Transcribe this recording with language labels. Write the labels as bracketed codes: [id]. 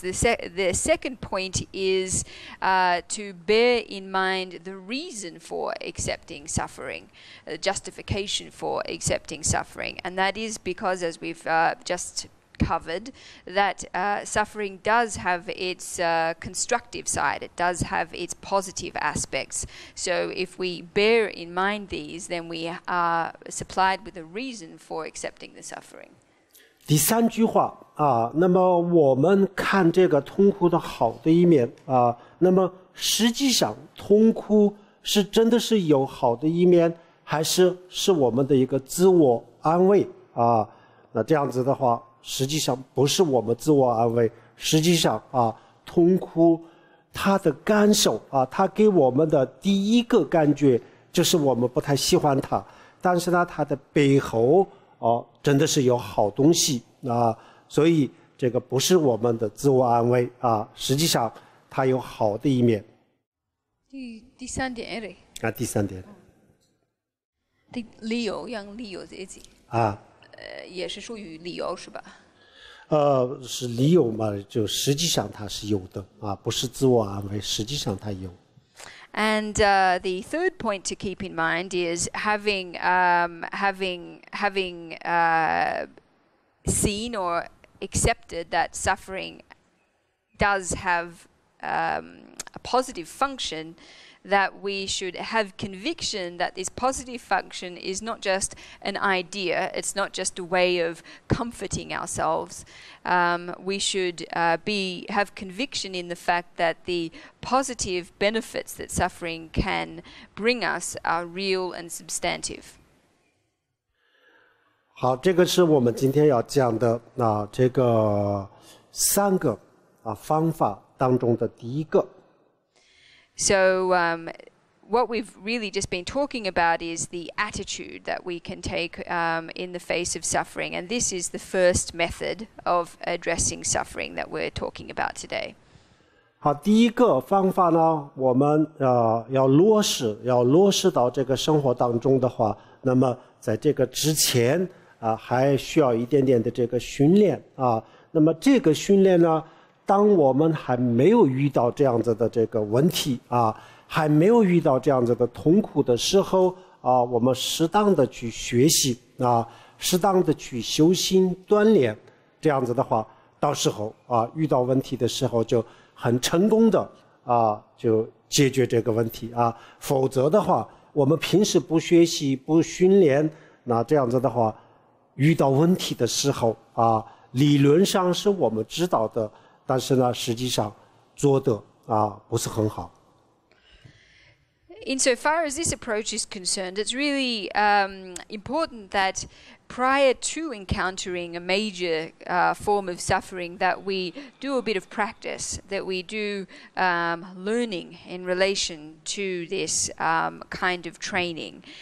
[en] The second point is to bear in mind the reason for accepting suffering, the justification for accepting suffering, and that is because, as we've just covered, that suffering does have its constructive side, it does have its positive aspects. So if we bear in mind these, then we are supplied with a reason for accepting the suffering. [zh] 第三句话啊，那么我们看这个痛苦的好的一面啊，那么实际上痛苦是真的是有好的一面，还是是我们的一个自我安慰啊？那这样子的话，实际上不是我们自我安慰，实际上啊，痛苦它的感受啊，它给我们的第一个感觉就是我们不太喜欢它，但是呢，它的背后。哦，真的是有好东西啊，所以这个不是我们的自我安慰啊，实际上它有好的一面。第三点。的理由，用理由自己。啊。也是属于理由是吧？是理由嘛，就实际上它是有的啊，不是自我安慰，实际上它有。 [en] And the third point to keep in mind is having seen or accepted that suffering does have a positive function, that we should have conviction that this positive function is not just an idea, it's not just a way of comforting ourselves. We should have conviction in the fact that the positive benefits that suffering can bring us are real and substantive. [zh] 好，这个是我们今天要讲的，那这个三个方法当中的第一个。 [en] So, what we've really just been talking about is the attitude that we can take in the face of suffering. And this is the first method of addressing suffering that we're talking about today. [zh] 好，第一个方法呢，我们要落实到这个生活当中的话，那么在这个之前还需要一点点的这个训练那么这个训练呢，当我们还没有遇到这样子的这个问题还没有遇到这样子的痛苦的时候我们适当的去学习适当的去修心锻炼，这样子的话，到时候遇到问题的时候就很成功的就解决这个问题否则的话，我们平时不学习不训练，那这样子的话，遇到问题的时候理论上是我们知道的。但是呢，实际上做得不是很好。 [en] Insofar as this approach is concerned, it's really important that prior to encountering a major form of suffering, that we do a bit of practice, that we do learning in relation to this kind of training.